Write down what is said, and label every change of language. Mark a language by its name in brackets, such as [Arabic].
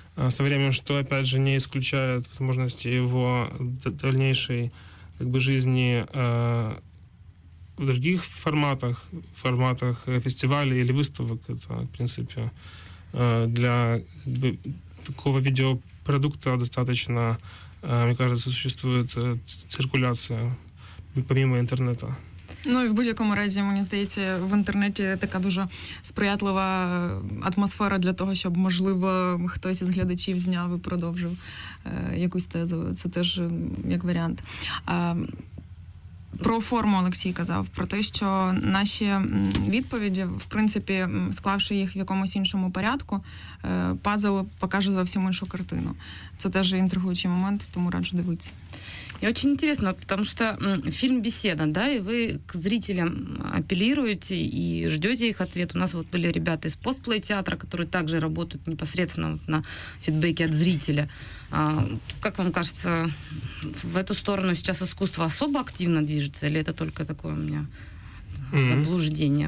[Russian] Со временем, что, опять же, не исключает возможности его дальнейшей как бы жизни в других форматах, в форматах фестивалей или выставок. Это, в принципе, для как бы, такого видеопродукта достаточно, мне кажется, существует циркуляция помимо интернета. [Ukrainian] Ну і в будь-якому разі, мені здається, в інтернеті така дуже сприятлива атмосфера для того, щоб, можливо, хтось із глядачів зняв і продовжив якусь тезу. Це теж як варіант. Про форму Олексій казав, про те, що наші відповіді, в принципі, склавши їх в якомусь іншому порядку, пазл покаже зовсім іншу картину. Це теж інтригуючий момент, тому раджу дивитися. [Russian] И очень интересно, потому что фильм «Беседа», да, и вы к зрителям апеллируете и ждете их ответ. У нас вот были ребята из постплей-театра, которые также работают непосредственно вот на фидбэке от зрителя. Как вам кажется, в эту сторону сейчас искусство особо активно движется, или это только такое у меня заблуждение?